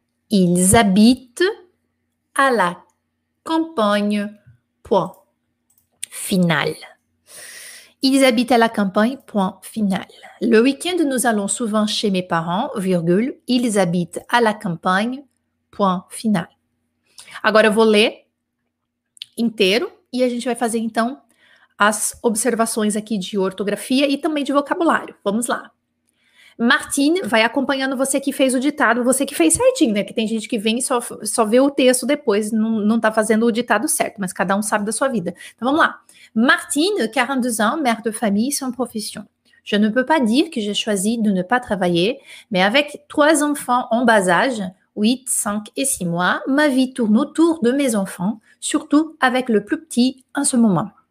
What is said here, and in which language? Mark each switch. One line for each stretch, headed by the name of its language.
French: Ils habitent à la campagne, point. Final. Ils habitent à la campagne, point final. Le week-end, nous allons souvent chez mes parents, virgule. Ils habitent à la campagne, point final.
Portuguese: Agora eu vou ler inteiro e a gente vai fazer, então, as observações aqui de ortografia e também de vocabulário. Vamos lá. Martine vai acompanhando você que fez o ditado, você que fez certinho, né? Que tem gente que vem e só vê o texto depois, não tá fazendo o ditado certo, mas cada um sabe da sua vida. Então, vamos lá.
French: Martine, 42 ans, mère de famille sans profession. Je ne peux pas dire que j'ai choisi de ne pas travailler, mais avec trois enfants en bas âge, 8, 5 et 6 mois, ma vie tourne autour de mes enfants, surtout avec le plus petit en ce moment.